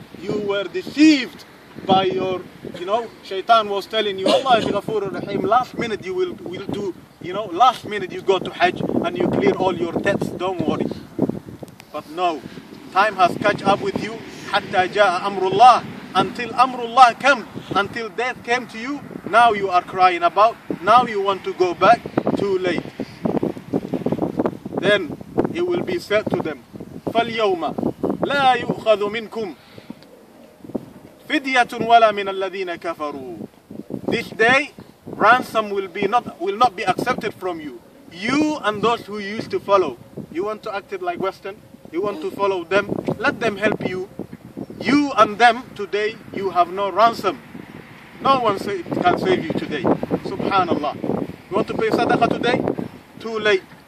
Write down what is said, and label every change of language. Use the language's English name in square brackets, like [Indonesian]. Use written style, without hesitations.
[English] You were deceived by your, you know, shaitan was telling you, Allah is Ghafoor al-Rahim, last minute you will do, you know, last minute you go to Hajj and you clear all your debts, don't worry. But no, time has catch up with you, hatta jaa amrullah, until amrullah come, until death came to you, now you are crying about, now you want to go back, too late. Then it will be said to them, [Arabic] فَالْيَوْمَ لَا يُؤْخَذُ مِنْكُمْ فِدْيَةٌ وَلَا مِنَ الَّذِينَ كَفَرُوا. [English] This day, ransom will not be accepted from you. You and those who used to follow. You want to act it like Western? You want to follow them? Let them help you. You and them, today, you have no ransom. No one can save you today. Subhanallah. You want to pay sadaqah today? Too late.